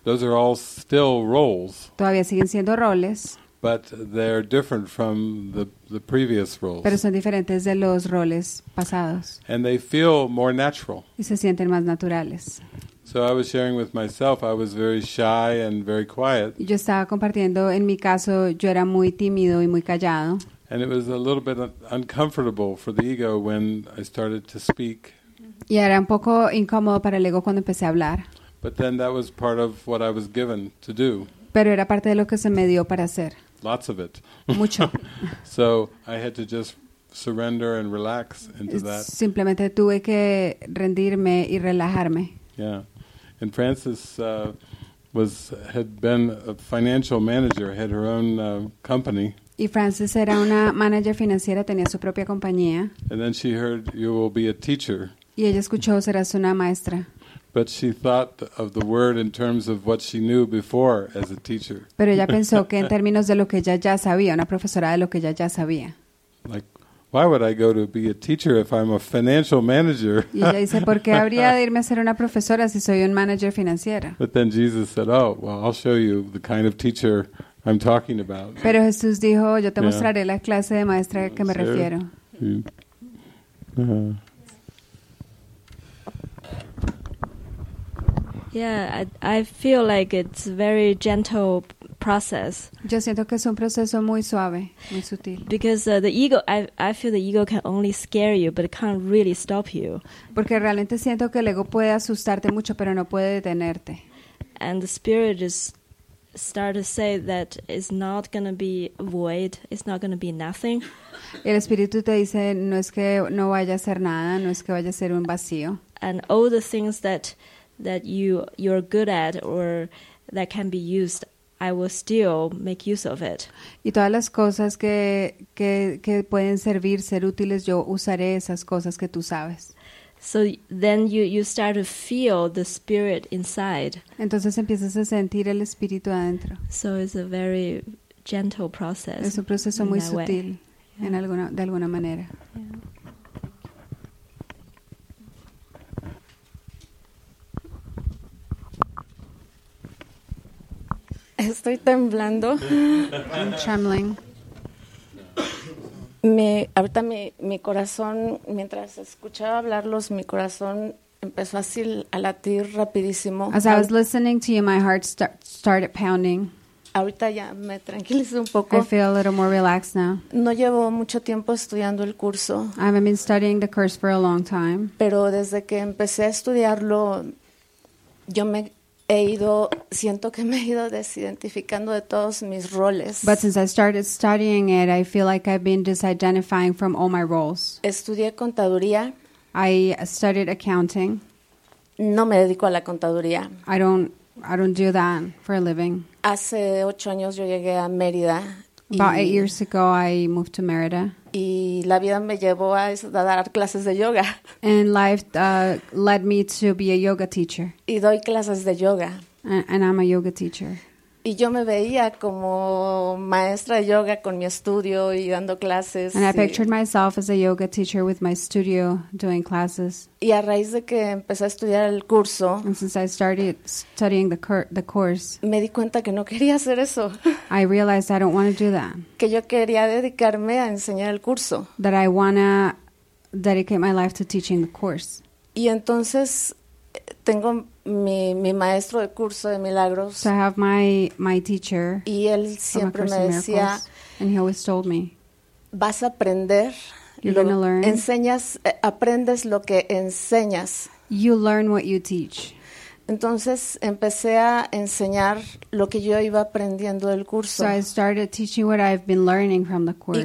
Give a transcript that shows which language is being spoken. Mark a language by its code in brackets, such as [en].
[en] Those are all still roles. [es] Todavía siguen siendo roles. [en] But they're different from the previous roles. [es] Pero son diferentes de los roles pasados. [en] And they feel more natural. [es] Y se sienten más naturales. [en] So I was sharing with myself, I was very shy and very quiet. [es] Yo estaba compartiendo, en mi caso, yo era muy tímido y muy callado. [en] And it was a little bit uncomfortable for the ego when I started to speak. [es] Y era un poco incómodo para el ego cuando empecé a hablar. [en] But then that was part of what I was given to do. [es] Pero era parte de lo que se me dio para hacer. [en] Lots of it. [es] Mucho. [en] So I had to just surrender and relax into that. [es] Simplemente tuve que rendirme y relajarme. [en] Yeah. And Frances had been a financial manager, had her own company. [es] Y Frances era una manager financiera, tenía su propia compañía. [en] And then she heard, "You will be a teacher." [es] Y ella escuchó, "Serás una maestra." [en] But she thought of the word in terms of what she knew before as a teacher. [es] Pero ella pensó que en términos de lo que ella ya sabía, una profesora de lo que ella ya sabía. [en] Like, why would I go to be a teacher if I'm a financial manager? [es] Y ella dice, ¿por qué habría de irme a ser una profesora si soy un manager financiera? [en] But then Jesus said, "Oh, well, I'll show you the kind of teacher I'm talking about." [es] Pero Jesús dijo, "Yo te mostraré la clase de maestra que me refiero." [en] Yeah, I feel like it's a very gentle process. [es] Yo siento que es un proceso muy suave, muy sutil. [en] Because the ego, I feel the ego can only scare you, but it can't really stop you. [es] Porque realmente siento que el ego puede asustarte mucho, pero no puede detenerte. [en] And the spirit is start to say that it's not going to be void, it's not going to be nothing. [es] El espíritu te dice, no es que no vaya a ser nada, no es que vaya a ser un vacío. [en] And all the things that you're good at or that can be used, I will still make use of it. [es] Y todas las cosas que pueden servir, ser útiles, yo usaré esas cosas que tú sabes. [en] So then you start to feel the spirit inside. [es] Entonces empiezas a sentir el espíritu adentro. [en] So it's a very gentle process. [es] Es un proceso muy sutil, de alguna manera. [en] Yeah. [es] Estoy temblando. [en] I'm trembling. [es] Ahorita mi corazón, mientras escuchaba hablarlos, mi corazón empezó así a latir rapidísimo. [en] As I was listening to you, my heart started pounding. [es] Ahorita ya me tranquilicé un poco. [en] I feel a little more relaxed now. [es] No llevo mucho tiempo estudiando el curso. [en] I haven't been studying the course for a long time. [es] Pero desde que empecé a estudiarlo, yo me he ido, siento que me he ido desidentificando de todos mis roles. [en] But since I started studying it, I feel like I've been disidentifying from all my roles. [es] Estudié contaduría. [en] I studied accounting. [es] No me dedico a la contaduría. [en] I don't do that for a living. [es] Hace 8 años yo llegué a Mérida. [en] About 8 years ago, I moved to Mérida. [es] Y la vida me llevó a dar clases de yoga. [en] And life led me to be a yoga teacher. [es] Y doy clases de yoga. [en] And I'm a yoga teacher. [es] Y yo me veía como maestra de yoga con mi estudio y dando clases. [en] And I pictured myself as a yoga teacher with my studio doing classes. [es] Y a raíz de que empecé a estudiar el curso. [en] And since I started studying the course. [es] Me di cuenta que no quería hacer eso. [en] I realized I don't want to do that. [es] Que yo quería dedicarme a enseñar el curso. [en] That I want to dedicate my life to teaching the course. [es] Y entonces tengo mi maestro de curso de milagros. [en] So I have my teacher. [es] Y él siempre me decía, [en] and he always told me, [es] vas a aprender. [en] You're going to learn. [es] Aprendes lo que enseñas. [en] You learn what you teach. [es] Entonces empecé a enseñar lo que yo iba aprendiendo del curso. [en] So I started teaching what I've been learning from the course.